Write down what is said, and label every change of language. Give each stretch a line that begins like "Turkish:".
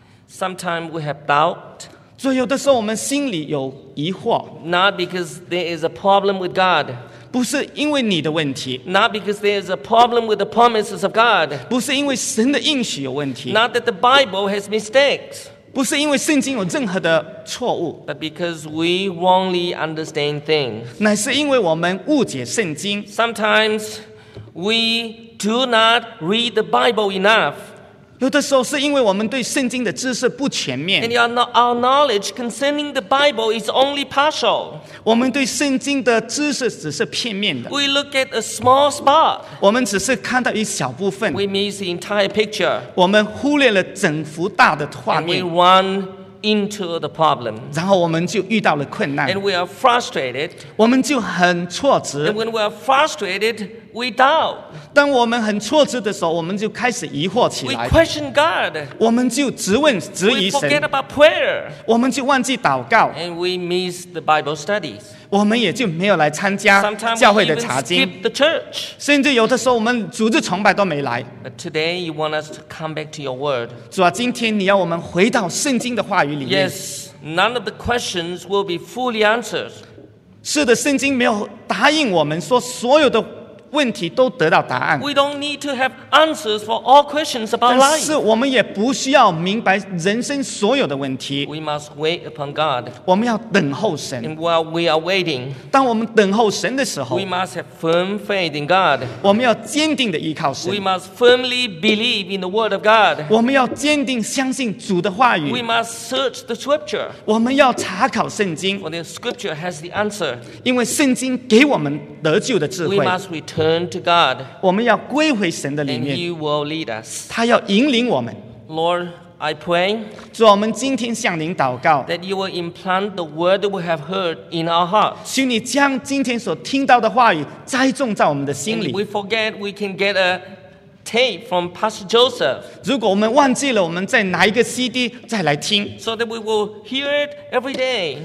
English: Sometimes we have doubt.
Chinese: 所以有的时候我们心里有疑惑。
English: Not because there is a problem with God.
Chinese: 不是因为你的问题。
English: Not because there is a problem with the promises of God.
Chinese: 不是因为神的应许有问题。
English: Not that the Bible has mistakes.
Chinese: 不是因为圣经有任何的错误。
English: But because we wrongly understand things.
Chinese: 乃是因为我们误解圣经。
English: Sometimes we do not read the Bible enough.
Chinese: 有的时候是因为我们对圣经的知识不全面。
English: And our knowledge concerning the Bible is only partial.
Chinese: 我们对圣经的知识只是片面的。
English: We look at a small spot.
Chinese: 我们只是看到一小部分。
English: We miss the entire picture.
Chinese: 我们忽略了整幅大的画面。
English: And we run into the problem.
Chinese: 然后我们就遇到了困难。
English: And we are frustrated.
Chinese: 我们就很挫折。
English: And when we are frustrated,We doubt.
Chinese: 当我们很挫折的时候，我们就开始疑惑起来。
English: We question God.
Chinese: 我们就质问、质疑神。
English: We forget about prayer.
Chinese: 我们就忘记祷告。
English: And we miss the Bible studies.
Chinese: 我们也就没有来参加教会的查经。
English: Sometimes we even skip the church.
Chinese: 甚至有的时候，我们组织崇拜都没来。
English: But today you want us to come back to your word.
Chinese: 主啊，今天你要我们回到圣经的话语里面。
English: Yes, none of the questions will be fully answered.
Chinese: 是的，圣经没有答应我们说所有的问题都得到答案。
English: We don't need to have answers for all questions about life.
Chinese: 但是我们也不需要明白人生所有的问题。
English: We must wait upon God.
Chinese: 我们要等候神。
English: And while we are waiting,
Chinese: 当我们等候神的时候
English: ，We must have firm faith in God.
Chinese: 我们要坚定的依靠神。
English: We must firmly believe in the word of God.
Chinese: 我们要坚定相信主的话语。
English: We must search the scripture.
Chinese: 我们要查考圣经。
English: For the scripture has the answer.
Chinese: 因为圣经给我们得救的智慧。
English: We must return. Turn to God.
Chinese: 我们要归回神的里面。
English: And you will lead us.
Chinese: 他要引领我们。
English: Lord, I pray.
Chinese: 主，我们今天向您祷告。
English: That you will implant the word we have heard in our hearts.
Chinese: 请你将今天所听到的话语栽种在我们的心里。
English: And we forget we can get a tape from Pastor Joseph.
Chinese: 如果我们忘记了，我们再拿一个 CD 再来听。
English: So that we will hear it every day.